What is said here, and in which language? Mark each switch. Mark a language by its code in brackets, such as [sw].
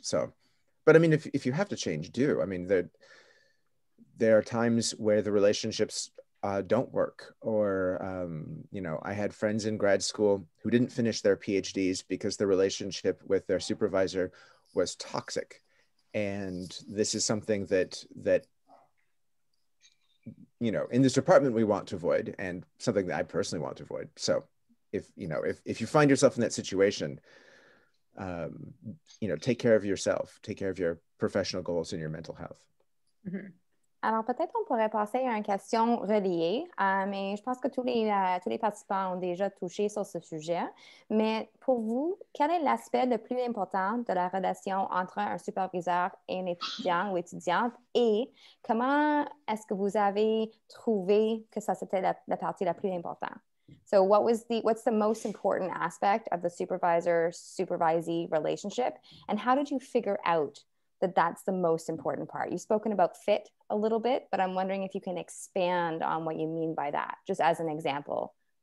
[en] So, but I mean, if you have to change, do. I mean, there are times where the relationships don't work, or you know, I had friends in grad school who didn't finish their PhDs because the relationship with their supervisor was toxic, and this is something that you know, in this department we want to avoid, and something that I personally want to avoid. So if you find yourself in that situation, you know, take care of yourself, take care of your professional goals and your mental health. Mm-hmm. [fr] Alors, peut-être on pourrait passer à une question reliée, mais je pense que tous les participants ont déjà touché sur ce sujet. Mais pour vous, quel est l'aspect le plus important de la relation entre un superviseur et un étudiant ou étudiante? Et comment est-ce que vous avez trouvé que ça c'était la partie la plus importante? [en] So what's the most important aspect of the supervisor-supervisee relationship? And how did you figure out that's the most important part? You've spoken about fit a little bit, but I'm wondering if you can expand on what you mean by that, just as an example.